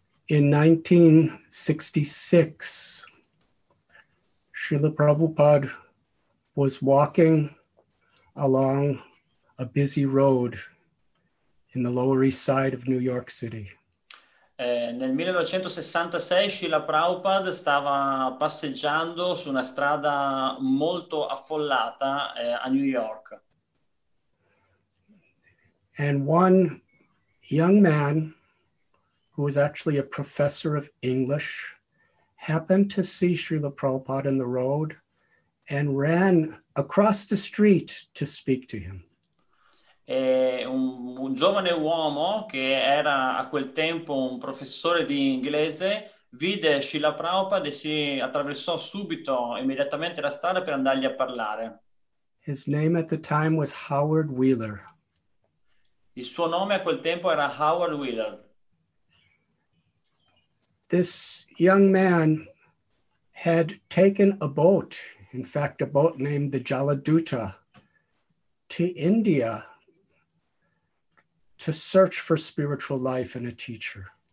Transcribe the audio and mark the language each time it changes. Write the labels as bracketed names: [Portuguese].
[English] In 1966, Srila Prabhupada was walking along a busy road in the Lower East Side of New York City. [Italian] Nel 1966 Srila Prabhupada stava passeggiando su una strada molto affollata a New York. [English] And one young man, who was actually a professor of English, happened to see Srila Prabhupada in the road and ran across the street to speak to him. [Italian] Un giovane uomo che era a quel tempo un professore di inglese vide Srila Prabhupada e si attraversò subito immediatamente la strada per andargli a parlare. [English] His name at the time was Howard Wheeler. [Italian] Il suo nome a quel tempo era Howard Wheeler. [English] This young man had taken a boat. in fact, a boat named the Jaladuta, to India to search for spiritual life and a teacher.